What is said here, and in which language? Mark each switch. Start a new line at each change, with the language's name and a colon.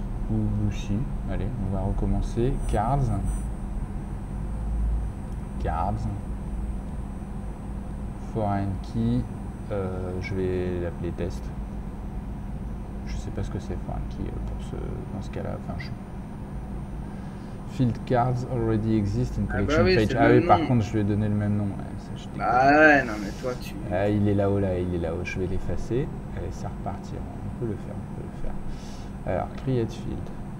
French: Ou si. Allez, on va recommencer. Cards. Cards. Foreign key. Je vais l'appeler test. Je sais pas ce que c'est foreign key pour dans ce cas-là. Enfin, je.
English: Field cards already exist in collection
French: ah bah oui, page. Ah oui, par contre, je lui ai donné le même nom. Ouais, ça, bah ouais, non, mais toi, tu. Ah, il est là-haut, là, il est là-haut. Je vais l'effacer. Allez, c'est reparti. On peut le faire, on peut le faire. Alors,
English: create field.